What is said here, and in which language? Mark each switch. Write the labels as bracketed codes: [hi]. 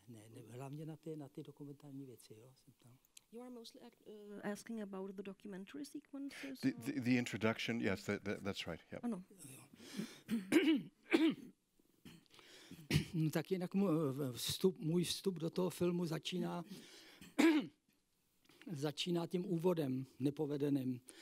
[cs] Ne, hlavně na ty dokumentární věci, jo? [en] You are mostly asking about the documentary sequences? The introduction, yes, that's right. Yep. [cs] Ano. No, tak jinak můj vstup do toho filmu začíná začíná tím úvodem nepovedeným.